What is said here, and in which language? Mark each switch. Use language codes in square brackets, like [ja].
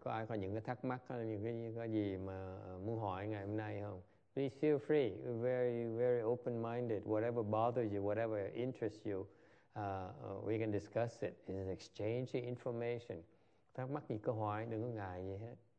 [vi] Có ai có những cái thắc mắc hay những cái có gì mà muốn hỏi ngày hôm nay không? [en] Please feel free. We're very, very open-minded. Whatever bothers you, whatever interests you, we can discuss it. It's an exchange of information. [vi] Thắc mắc gì cứ hỏi, đừng có ngại gì hết.